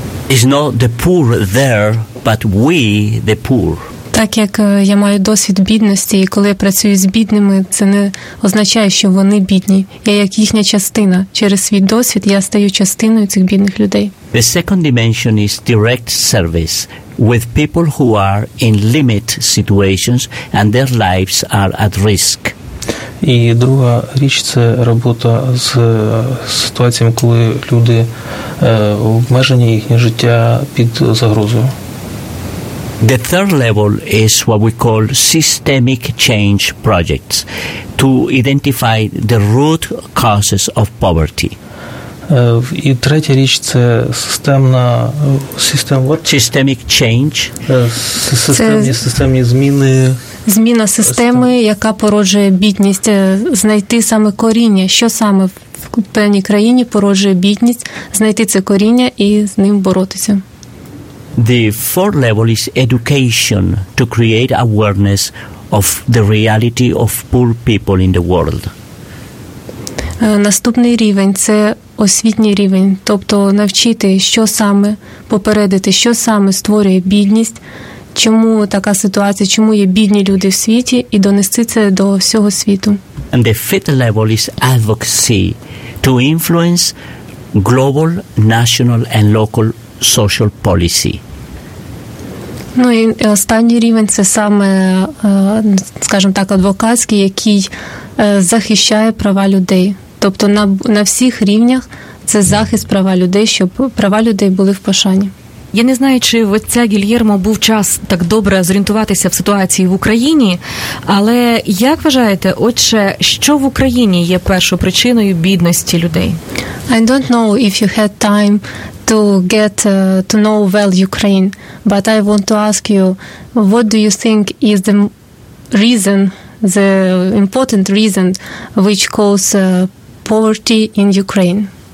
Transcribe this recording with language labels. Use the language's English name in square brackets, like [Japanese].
[English] It's not the poor there, but we the poor. [Ukrainian] Так як я маю досвід бідності, і коли я працюю з бідними, це не означає, що вони бідні. Я як їхня частина. Через свій досвід я стаю частиною цих бідних людей. [English] The second dimension is direct service with people who are in limit situations and their lives are at risk. [Ukrainian] І друга річ – це робота з ситуаціями, коли люди обмежені, їхнє життя під загрозою. The third level is what we call systemic change projects to identify the root causes of poverty. І третя річ – це [English] systemic change. [Ukrainian] Системні зміни. Зміна системи, яка породжує бідність. Знайти саме коріння. Що саме в певній країні породжує бідність? Знайти це коріння і з ним боротися. [English] The fourth level is education to create awareness of the reality of poor people in the world. [Ukrainian] Наступний рівень – це освітній рівень, тобто навчити, що саме попередити, що саме створює бідність, чому така ситуація, чому є бідні люди в світі, і донести це до всього світу. [English] And the fifth level is advocacy to influence global, national and local social policy. [Ukrainian] Ну і останній рівень – це саме, скажімо так, адвокатський, який захищає права людей. Тобто на всіх рівнях це захист права людей, щоб права людей були в пошані. Я не знаю, чи в отця Гільєрмо був час так добре зорієнтуватися в ситуації в Україні, але як вважаєте, отче, що в Україні є першою причиною бідності людей? [English] I don't know if you had time to get to know well Ukraine, but I want to ask you, what do you think is the reason, the important reason which cause poverty in Ukraine?